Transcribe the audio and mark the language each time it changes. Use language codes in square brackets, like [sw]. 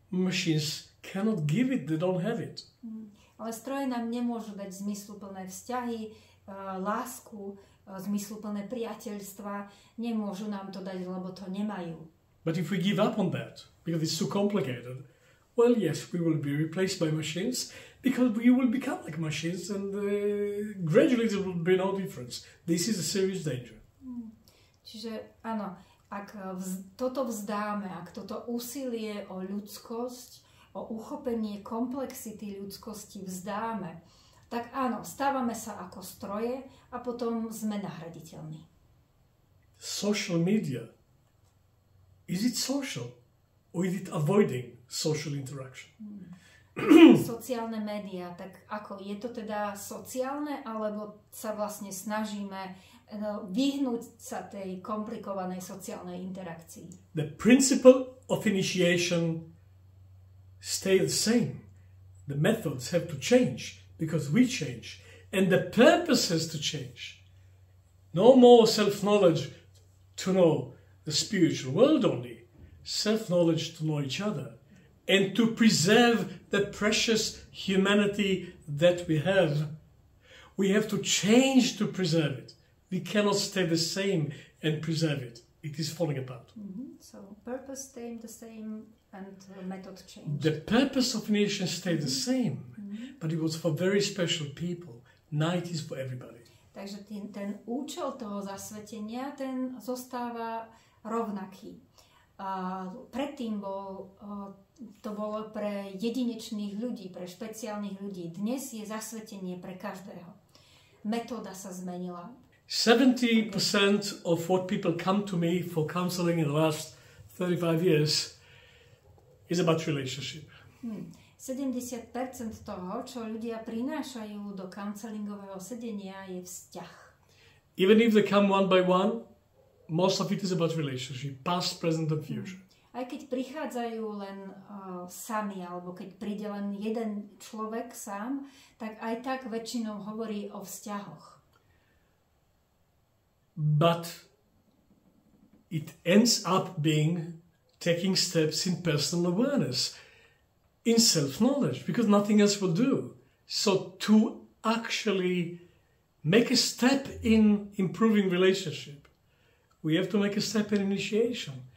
[en] Machines cannot give it, they don't have it. [sk] Ale stroje nám nemôžu dať zmysluplné vzťahy, lásku, zmysluplné priateľstva. Nemôžu nám to dať, lebo to nemajú. [en] But if we give up on that because it's too complicated, well, yes, we will be replaced by machines because we will become like machines, and gradually there will be no difference. This is a serious danger. [sk] Čiže, áno, ak toto vzdáme, ak toto úsilie o ľudskosť, o uchopenie komplexity ľudskosti vzdáme, tak áno, stávame sa ako stroje a potom sme nahraditeľní. [en] Social media. Is it social? Or is it avoiding social interaction? [sk] Sociálne médiá, tak ako je to teda sociálne, alebo sa vlastne snažíme vyhnúť sa tej komplikovanej sociálnej interakcii? [en] The principle of initiation stay the same. The methods have to change because we change. And the purpose has to change. No more self-knowledge to know the spiritual world only. Self-knowledge to know each other. And to preserve the precious humanity that we have to change to preserve it. We cannot stay the same and preserve it. It is falling apart. Mm-hmm. So purpose stay the same and method change. The purpose of initiation stayed the same, but it was for very special people. Night is for everybody. [sk] Takže ten účel toho zasvetenia, ten zostáva rovnaký. Predtým bol to bolo pre jedinečných ľudí, pre špeciálnych ľudí. Dnes je zasvetenie pre každého. Metóda sa zmenila. [en] 70% of what people come to me for counseling in the last 35 years is about relationship. [sk] 70% toho, čo ľudia prinášajú do counselingového sedenia, je vzťah. [en] Even if they come one by one, most of it is about relationship, past, present and future. [sk] Aj keď prichádzajú len sami, alebo keď príde len jeden človek sám, tak aj tak väčšinou hovorí o vzťahoch. [en] But it ends up being taking steps in personal awareness, in self-knowledge, because nothing else will do. So to actually make a step in improving relationship, we have to make a step in initiation.